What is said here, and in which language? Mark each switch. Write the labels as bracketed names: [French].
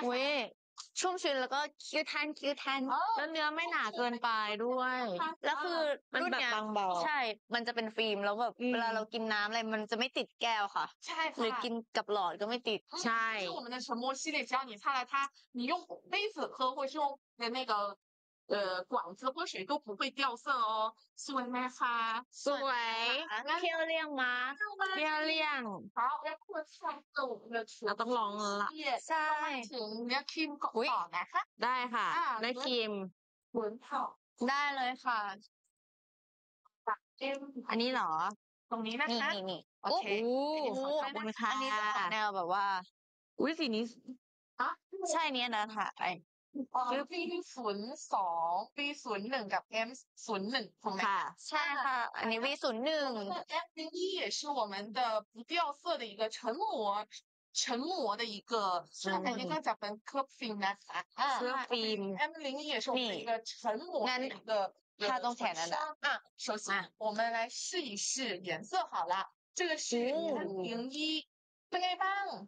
[Thai] 喂ชุ่มชื้นแล้วก็คิ้วแท่นคิ้วแท่นแล้วเนื้อไม่หนาเกินไปด้วยแล้วคือ มันแบบบางเบา ใช่มันจะเป็นฟิล์มแล้วแบบเวลาเรากินน้ำอะไรมันจะไม่ติดแก้วค่ะ ใช่ค่ะ หรือกินกับหลอดก็ไม่ติด ใช่ ที่ [Chinese] 我们的唇膜系列只要你擦了它你用杯子喝或是用的那个管子喝水都不会掉色哦 [Thai] สวยไหมคะ สวย [Chinese] 漂亮吗漂亮好要扩散到我们的唇膜要 [Thai] ต้องลองละ ใช่ ถึงเนื้อครีมก่อนนะคะ ได้ค่ะเนื้อครีม หวนเถา ะได้เลยค่ะ จับเอ็ม อันนี้เหรอ ตรงนี้นะคะ นี่โอเค ขอบคุณค่ะอันนี้จะออกแนวแบบว่า อุ้ยสีนี้ ใช่เนี้ยนะค่ะไอ คือ B02 B01 กับ M01 ถูกไหม ใช่ค่ะอันนี้ B01 [Chinese] F01 也是我们的不掉色的一个唇膜的一个是感觉刚才讲的 Curve Film 呢 [English] Curve Film [Chinese] M01 也是我们的唇膜的一个它都填了的首先我们来试一试颜色好了这个是M01 [Thai] เป็นไงบ้าง